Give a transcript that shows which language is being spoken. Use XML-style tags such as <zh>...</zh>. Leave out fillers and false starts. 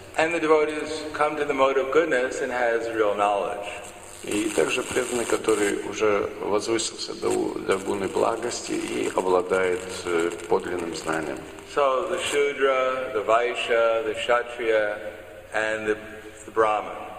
<en>And the devotees come to the mode of goodness and has real knowledge.</en> <ru>И также преданный, который уже возвысился до гуны благости и обладает подлинным знанием.</ru> <en>So the Shudra, the Vaishya, the Kshatriya, and the Brahman.</en>